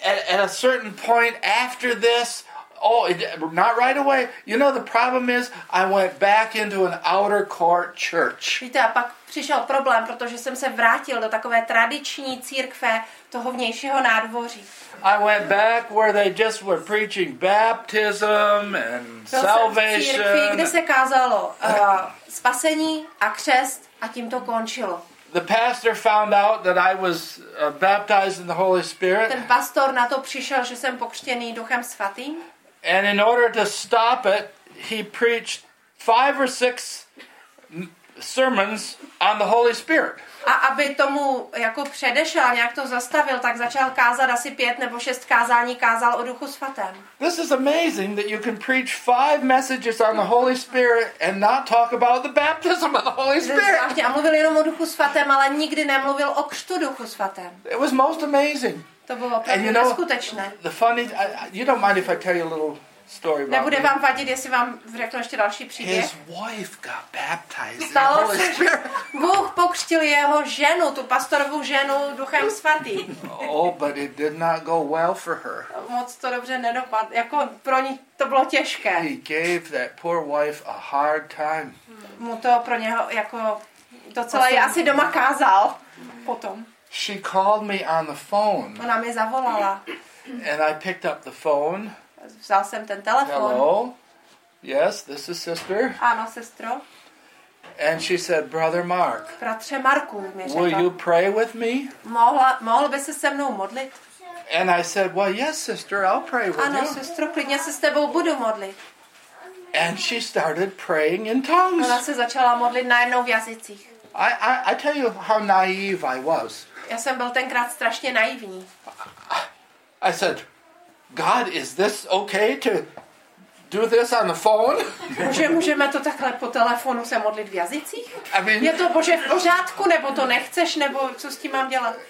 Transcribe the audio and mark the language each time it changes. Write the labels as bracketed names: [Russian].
[English] At a certain point after this, oh, not right away. You know the problem is I went back into an outer court church. [Czech] Víte, a pak přišel problém, protože jsem se vrátil do takové tradiční církve toho vnějšího nádvoří. [English] I went back where they just were preaching baptism and salvation. [Czech] Církvi, kde se kázalo spasení a křest a tím to končilo. [English] The pastor found out that I was baptized in the Holy Spirit. [Czech] Ten pastor na to přišel, že jsem pokřtěný Duchem Svatým. [English] And in order to stop it, he preached 5 or 6 sermons on the Holy Spirit. [Czech] A aby tomu jako předešel, nějak to zastavil, tak začal kázat asi 5 nebo 6 kázání, kázal o Duchu Svatém. [English] This is amazing that you can preach 5 messages on the Holy Spirit and not talk about the baptism of the Holy Spirit. [Czech] Zvláště, a mluvil jenom o Duchu Svatém, ale nikdy nemluvil o křtu Duchu Svatém. [English] It was most amazing. [Czech] To bylo opravdu neskutečné. [English] The funny, you don't mind if I tell you a little story about [Czech] nebude vám vadit, jestli vám řeknu ještě další příběh. [English] His wife got baptized in the Holy Spirit. [Czech] Bůh pokřtil jeho ženu, tu pastorovu ženu, Duchem svatým. [English] Oh, but it did not go well for her. [Czech] Moc to dobře nedopadlo. Jako pro ní to bylo těžké. [English] He gave that poor wife a hard time. [Czech] Mu to pro něho jako docela je asi doma kázal potom. [English] She called me on the phone. [Czech] Ona mě zavolala. [English] And I picked up the phone. [Czech] Vzal jsem ten telefon. [English] Hello. Yes, this is sister. [Czech] Ano, sestro. [English] And she said, Brother Mark. [Czech] Bratře Marku, mi řekla. [English] Will you pray with me? [Czech] Mohl by se se mnou modlit? [English] And I said, well, yes, sister, I'll pray with [Czech] ano, Ano, sestro, klidně se s tebou budu modlit. [English] And she started praying in tongues. [Czech] Ona se začala modlit najednou v jazycích. [English] I tell you how naive I was. [Czech] Já jsem byl tenkrát strašně naivní. [English] I said, God, is this okay to do this on the phone? [Czech] Můžeme to takhle po telefonu se modlit v jazycích? [English] I mean, [Czech] je to Bože v pořádku, nebo to nechceš, nebo co s tím mám dělat?